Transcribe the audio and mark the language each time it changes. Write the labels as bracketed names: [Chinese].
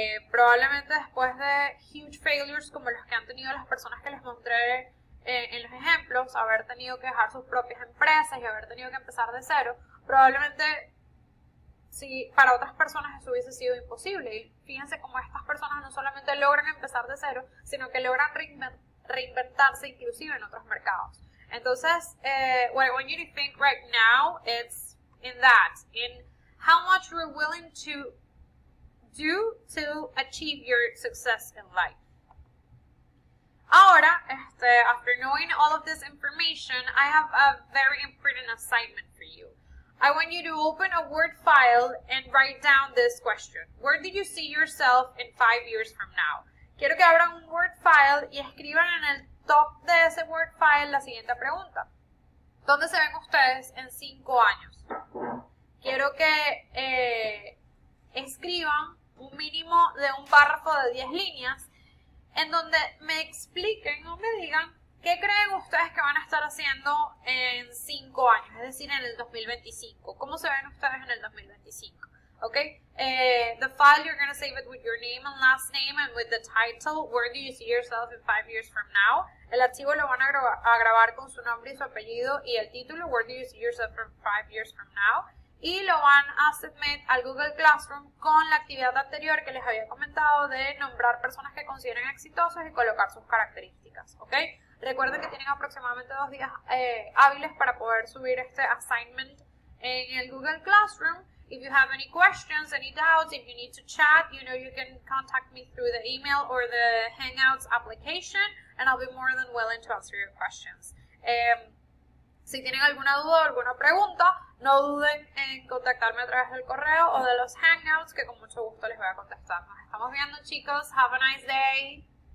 [Spanish] Probablemente después de [English] huge failures [Spanish] como los que han tenido las personas que les mostré en los ejemplos, haber tenido que dejar sus propias empresas y haber tenido que empezar de cero, probablemente sí, para otras personas eso hubiese sido imposible. Y fíjense cómo estas personas no solamente logran empezar de cero, sino que logran reinventarse inclusive en otros mercados. Entonces, [English] what I want you to think right now, it's in that, in how much you're willing to do to achieve your success in life. [Spanish] Ahora, [English] after knowing all of this information, I have a very important assignment for you. I want you to open a Word file and write down this question. Where do you see yourself in 5 years from now? [Spanish] Quiero que abran un Word file y escriban en el top de ese Word file la siguiente pregunta. ¿Dónde se ven ustedes en 5 años? Quiero que escriban un mínimo de un párrafo de 10 líneas en donde me expliquen o me digan qué creen ustedes que van a estar haciendo en 5 años, es decir, en el 2025. ¿Cómo se ven ustedes en el 2025? ¿Ok? [English] The file, you're going to save it with your name and last name and with the title, where do you see yourself in 5 years from now? [Spanish] El archivo lo van a grabar con su nombre y su apellido y el título, [English] where do you see yourself in 5 years from now? [Spanish] Y lo van a submit al Google Classroom con la actividad anterior que les había comentado de nombrar personas que consideren exitosas y colocar sus características, ¿ok? Recuerden que tienen aproximadamente 2 días hábiles para poder subir este assignment en el Google Classroom. [English] If you have any questions, any doubts, if you need to chat, you know you can contact me through the email or the Hangouts application and I'll be more than willing to answer your questions. [Spanish] Si tienen alguna duda o alguna pregunta, no duden en contactarme a través del correo o de los Hangouts, que con mucho gusto les voy a contestar. Nos estamos viendo, chicos. [English] Have a nice day.